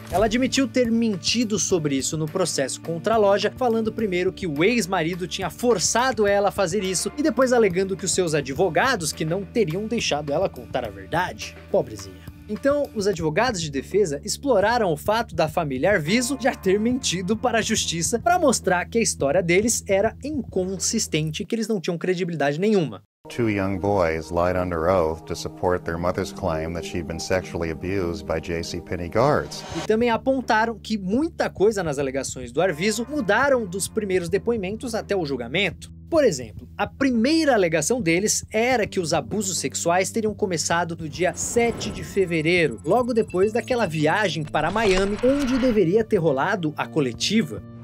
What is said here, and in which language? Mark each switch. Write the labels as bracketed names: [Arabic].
[Portuguese] Ela admitiu ter mentido sobre isso no processo contra a loja, falando primeiro que o ex-marido tinha forçado ela a fazer isso e depois alegando que os seus advogados que não teriam deixado ela contar a verdade. Pobrezinha. Então, os advogados de defesa exploraram o fato da família Arvizo já ter mentido para a justiça para mostrar que a história deles era inconsistente e que eles não tinham credibilidade nenhuma. [English] Two young boys lied under oath to support their mother's claim that she'd been sexually abused by JCPenney guards. [Portuguese] E também apontaram que muita coisa nas alegações do Arvizo mudaram dos primeiros depoimentos até o julgamento. Por exemplo, a primeira alegação deles era que os abusos sexuais teriam começado no dia 7 de fevereiro, logo depois daquela viagem para Miami, onde deveria ter rolado a coletiva.